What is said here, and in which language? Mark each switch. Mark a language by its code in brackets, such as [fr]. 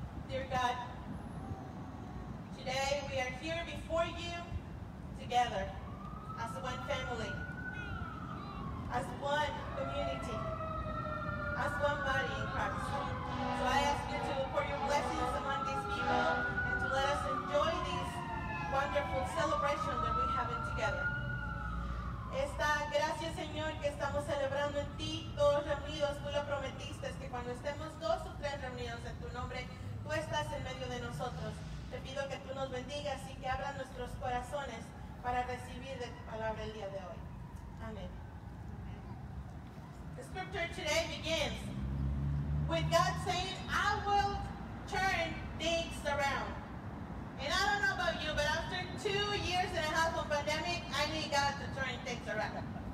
[en] Dear God, today we are here before you together as one family, as one community, as one body in Christ. So I ask you to pour your blessings among these people and to let us enjoy this wonderful celebration that we have together. [es] Esta gracia, Señor, que estamos celebrando en ti, todos reunidos, tú lo prometiste, es que cuando estemos dos o tres reunidos en tu nombre, tú estás en medio de nosotros. Te pido que tú nos bendigas y que abras nuestros corazones para recibir de tu palabra el día de hoy. Amén. [en] The scripture today begins with God saying, I will turn things around. And I don't know about you, but after 2 years and a half of pandemic, I need God to turn things around.